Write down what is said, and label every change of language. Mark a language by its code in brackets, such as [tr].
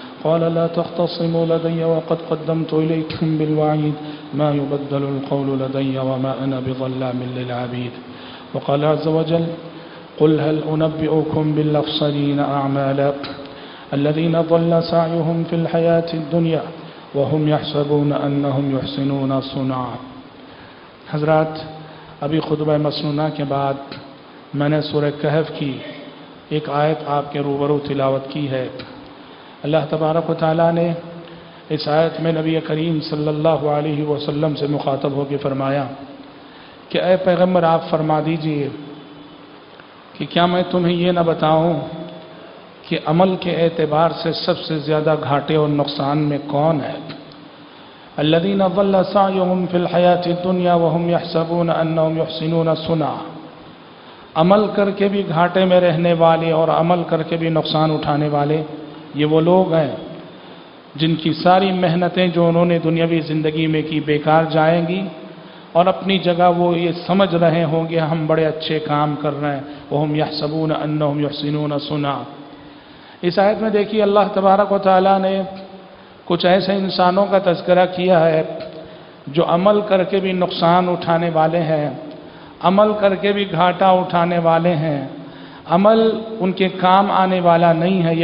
[ar] قال لا تختصموا لدي وقد قدمت إليكم بالوعيد، ما يبدل القول لدي وما أنا بظلام للعبيد. وقال عز وجل قل هل أنبئكم بالأخسرين أعمالا، الذين ضل سعيهم في الحياة الدنيا وهم يحسبون أنهم يحسنون صنعا. [ur] حضرات، ابھی خطبہ مسنونہ کے بعد میں نے سورہ کہف کی ایک آیت آپ کے روبرو تلاوت کی ہے. اللہ تبارک و تعالی نے اس آیت میں نبی کریم صلی اللہ علیہ وسلم سے مخاطب ہو کے فرمایا کہ اے پیغمبر، آپ فرما دیجئے کہ کیا میں تمہیں یہ نہ بتاؤں کہ عمل کے اعتبار سے سب سے زیادہ گھاٹے اور نقصان میں کون ہے؟ [ar] الذین ضل سعیهم فی الحیاۃ الدنیا وهم یحسبون انهم یحسنون صنعا. [ur] عمل کر کے بھی گھاٹے میں رہنے والے اور عمل کر کے بھی نقصان اٹھانے والے، یہ وہ لوگ ہیں جن کی ساری محنتیں جو انہوں نے دنیاوی زندگی میں کی بیکار جائیں گی، اور اپنی جگہ وہ یہ سمجھ رہے ہوں گے ہم بڑے اچھے کام کر رہے ہیں. [ar] وهم یحسبون انهم یحسنون صنعا. [ur] اس آیت میں دیکھیے اللہ تبارک و تعالیٰ نے کچھ ایسے انسانوں کا تذکرہ کیا ہے جو عمل کر کے بھی نقصان اٹھانے والے ہیں، عمل کر کے بھی گھاٹا اٹھانے والے ہیں، عمل ان کے کام آنے والا نہیں ہے.